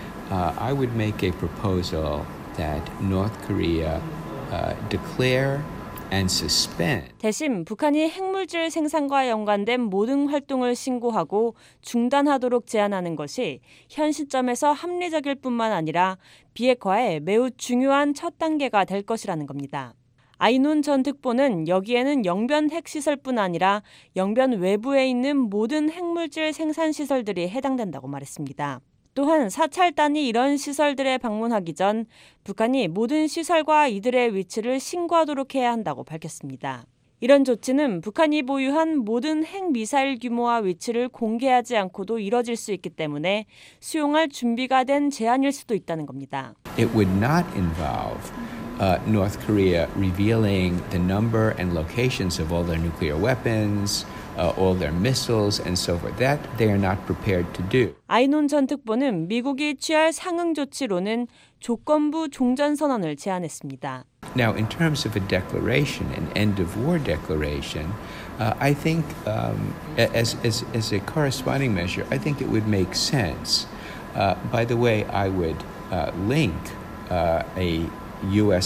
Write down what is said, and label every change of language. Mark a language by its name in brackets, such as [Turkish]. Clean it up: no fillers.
[English] I would make a proposal that North Korea declare and suspend. [Korean] 대신 북한이 핵물질 생산과 연관된 모든 활동을 신고하고 중단하도록 제안하는 것이 현 시점에서 합리적일 뿐만 아니라 비핵화에 매우 중요한 첫 단계가 될 것이라는 겁니다. 아이눈 전 특보는 여기에는 영변 핵시설뿐 아니라 영변 외부에 있는 모든 핵물질 생산시설들이 해당된다고 말했습니다. 또한 사찰단이 이런 시설들에 방문하기 전 북한이 모든 시설과 이들의 위치를 신고하도록 해야 한다고 밝혔습니다. 이런 조치는 북한이 보유한 모든 핵미사일 규모와 위치를 공개하지 않고도 이뤄질 수 있기 때문에 수용할 준비가 된 제안일 수도 있다는 겁니다. [English] It would not involve North Korea revealing the number and locations of all their nuclear weapons, all their missiles and so forth. That they are not prepared to do. [Korean] 아이논 전 특보는 미국이 취할 상응 조치로는 조건부 종전 선언을 제안했습니다. [English] Now, in terms of a declaration, an end of war declaration, I think as a corresponding measure, I think it would make sense. By the way, I would link a U.S.